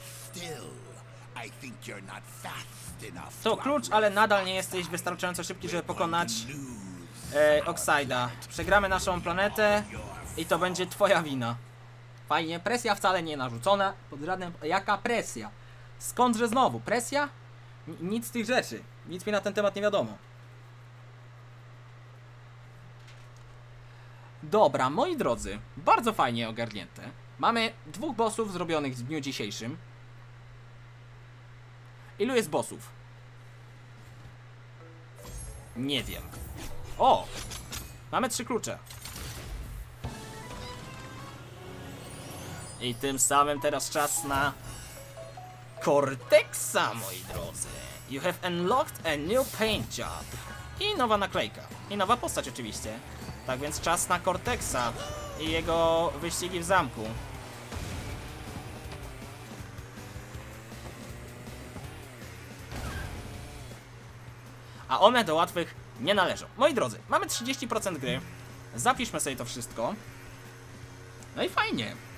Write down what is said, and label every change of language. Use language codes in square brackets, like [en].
[en] Still, I think you're not fast enough. [pl] To klucz, ale nadal nie jesteś wystarczająco szybki, żeby pokonać Oxide'a. Przegramy naszą planetę i to będzie twoja wina. Fajnie, presja wcale nie narzucona. Pod żadnym... Jaka presja? Skądże znowu? Presja? Nic z tych rzeczy. Nic mi na ten temat nie wiadomo. Dobra, moi drodzy, bardzo fajnie ogarnięte. Mamy 2 bossów zrobionych w dniu dzisiejszym. Ilu jest bossów? Nie wiem. O! Mamy 3 klucze. I tym samym teraz czas na... Cortexa, moi drodzy. [en] You have unlocked a new paint job. [pl] I nowa naklejka. I nowa postać oczywiście. Tak więc czas na Cortexa i jego wyścigi w zamku. A one do łatwych nie należą. Moi drodzy, mamy 30% gry. Zapiszmy sobie to wszystko. No i fajnie.